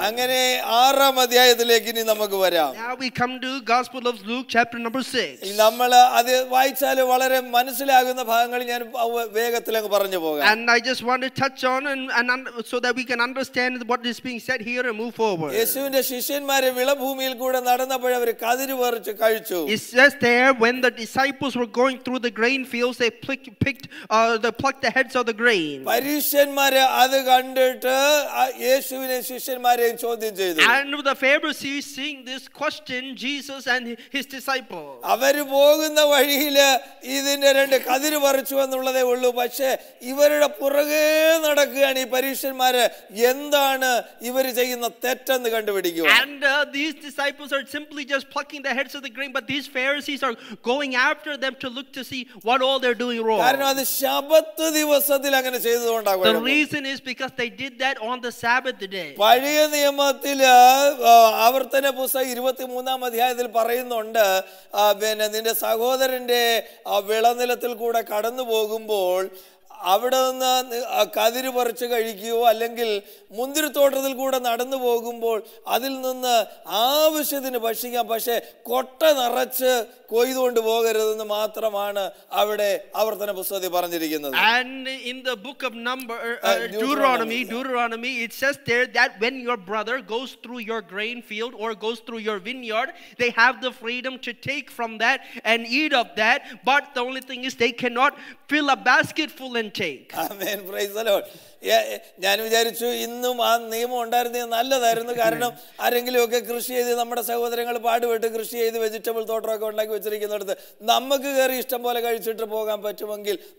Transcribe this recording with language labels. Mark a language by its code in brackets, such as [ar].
[ml] അങ്ങനെ 6-ാം അധ്യായത്തിലേക്ക് ഇനി നമുക്ക് വരാം. [en] Now we come to Gospel of Luke chapter number 6. [ml] നമ്മൾ അത് വായിച്ചാൽ വളരെ മനസ്സിലാകുന്ന ഭാഗങ്ങൾ ഞാൻ വേഗത്തിൽ അങ്ങ് പറഞ്ഞു പോകാം. [en] And I just want to touch on and so that we can understand what is being said here and move forward. [ml] യേശുവിന്റെ ശിഷ്യന്മാരെ വിളഭൂമിയിൽ കൂടെ നടന്നപ്പോൾ അവർ കതിരു പറിച്ച് കഴിച്ചു. [en] It's just there when the disciples were going through the grain fields, they plucked the heads of the grain. [ml] പരീശന്മാരെ അത് കണ്ടിട്ട് യേശുവിനെ ശിഷ്യന്മാരെ ചോദ്യം ചെയ്തു. [en] And the Pharisees seeing this question, Jesus and his disciples, [ml] അവർ പോകുന്ന വഴിയിൽ ഇതിനെ രണ്ട് കതിര് പറിച്ചു എന്നുള്ളതേ ഉള്ളൂ, പക്ഷേ ഇവരുടെ പുറകെ നടക്കുകയാണ് ഈ പരീശന്മാരെ, എന്താണ് ഇവർ ചെയ്യുന്ന തെറ്റെന്ന് കണ്ടുപിടിക്കുക. [en] And these disciples are simply just plucking the heads of the grain, but these Pharisees are going after them to look to see what all they're doing wrong. [ml] കാരണം അത് ശബത്ത് ദിവസത്തിൽ അങ്ങനെ ചെയ്തതുകൊണ്ടാണ്. [en] The reason is because they did that on the Sabbath day. [ml] പഴയ നിയമത്തിൽ ആവർത്തന പുസ്തകം 23-ാം അധ്യായത്തിൽ പറയുന്നുണ്ട്, നിന്റെ സഹോദരന്റെ വിളനിലത്തിൽ കൂടെ കടന്നു പോകുമ്പോൾ അവിടെ നിന്ന് കതിര് പറിച്ചു കഴിക്കുകയോ അല്ലെങ്കിൽ മുന്തിരിത്തോട്ടത്തിൽ കൂടെ നടന്നു പോകുമ്പോൾ അതിൽ നിന്ന് ആവശ്യത്തിന് ഭക്ഷിക്കാം, പക്ഷേ കൊട്ട നിറച്ച് കൊയ്തുകൊണ്ട് പോകരുതെന്ന് മാത്രമാണ് അവിടെ ആവർത്തന പുസ്തകത്തിൽ പറഞ്ഞിരിക്കുന്നത്. [en] And in the book of Deuteronomy, it says there that when your brother goes through your grain field or goes through your vineyard, they have the freedom to take from that and eat of that, but the only thing is they cannot fill a basket full and take. Amen. Praise the Lord. [ml] ഞാൻ വിചാരിച്ചു ഇന്നും ആ നിയമം ഉണ്ടായിരുന്നെങ്കിൽ നല്ലതായിരുന്നു, കാരണം ആരെങ്കിലുമൊക്കെ കൃഷി ചെയ്ത് നമ്മുടെ സഹോദരങ്ങൾ പാടുപെട്ട് കൃഷി ചെയ്ത് വെജിറ്റബിൾ തോട്ടമൊക്കെ ഉണ്ടാക്കി വെച്ചിരിക്കുന്നിടത്ത് നമുക്ക് കയറി ഇഷ്ടം പോലെ കഴിച്ചിട്ട് പോകാൻ പറ്റുമെങ്കിൽ